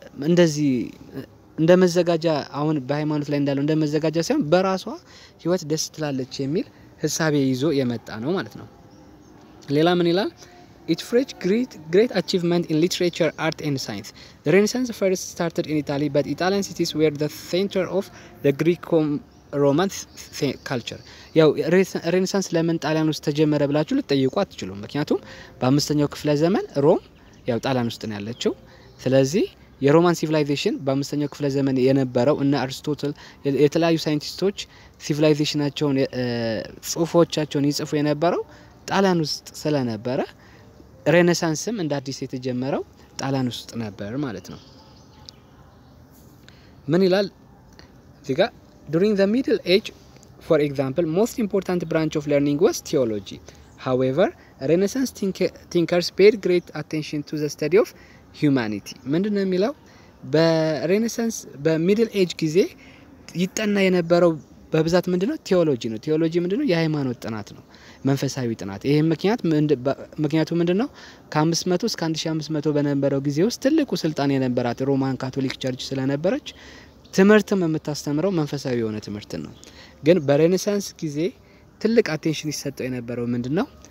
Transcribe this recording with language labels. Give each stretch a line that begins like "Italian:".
Amharic: እንደዚህ እንደ መዘጋጃ አሁን በሃይማኖት ላይ እንዳለው እንደ መዘጋጃ ሳይሆን በራሷ ህይወት ደስ ትላለች የሚል ህሳቤ ይዞ የመጣ ነው ማለት ነው ሌላ ምን ይላል
English: It fresh great achievement in literature, art and science. The Renaissance first started in Italy, but Italian cities were the center of the Greco-Roman culture.
Amharic: ያው ሬነሳንስ ለምን ጣሊያን ውስጥ ተጀመረ ብላችሁ ልትጠይቁ አትችሉም ምክንያቱም በአምስተኛው ክፍለ ዘመን ሮም ያው ጣሊያን ውስጥ ነው ያለችው ስለዚህ የሮማን ሲቪላይዜሽን በአምስተኛው ክፍለ ዘመን የነበረው እና አርስቶትል የተለያዩ ሳይንቲስቶች ሲቪላይዜሽናቸውን ጽሑፎቻቸውን ይጽፉ የነበረው ጣሊያን ውስጥ ስለነበረ ሬነሳንስም እንደ አዲስ የተጀመረው ጣሊያን ውስጥ ነበር ማለት ነው። ምን ይላል እዚጋ?
English: During the Middle Age, for example, most important branch of learning was theology. However, Renaissance thinkers paid great attention to the study of humanity.
Amharic: ምንድን ነው የሚለው? በሬነሳንስ በሚድል ኤጅ ጊዜ ይጠና የነበረው በብዛት ምንድነው? ቴዎሎጂ ነው። ቴዎሎጂ ምንድነው? የሃይማኖት ጥናት ነው፣ መንፈሳዊ ጥናት። ይሄ ምክንያቱ ምንድነው? ከ500 እስከ 1500 በነበረው ጊዜ ውስጥ ትልቁ ስልጣን የነበራት ሮማን ካቶሊክ ቸርች ስለነበረች ትምህርትም የምታስተምረው መንፈሳዊ የሆነ ትምህርት ነው። ግን በሬነሳንስ ጊዜ ትልቅ አቴንሽን ይሰጠው የነበረው ምንድነው?